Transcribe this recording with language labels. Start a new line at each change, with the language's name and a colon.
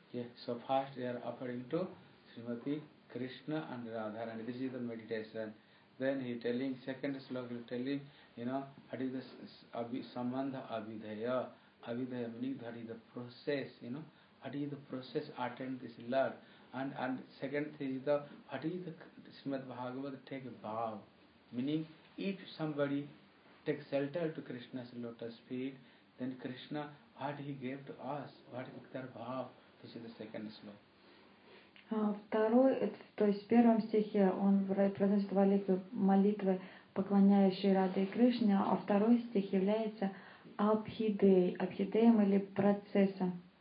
English: Yeah. So first they are offering to Srimati Krishna and Radharani. This is the meditation. Then he telling, second slogan he telling, you know, what is the sambandha abhidhaya. Abhidhaya meaning that is the process, you know. What is the process attend this Lord? And second thing is the, what is the Srimad Bhagavad take bhav? Meaning, if somebody takes shelter to Krishna's lotus feet, then Krishna, what he gave to us, what is their bhav? This is the second slogan.
Russian: Второй, то есть в первом стихе он произносит молитвы, поклоняющие Раде и Кришне, а второй стих является абхидеей, абхидеем или процессом.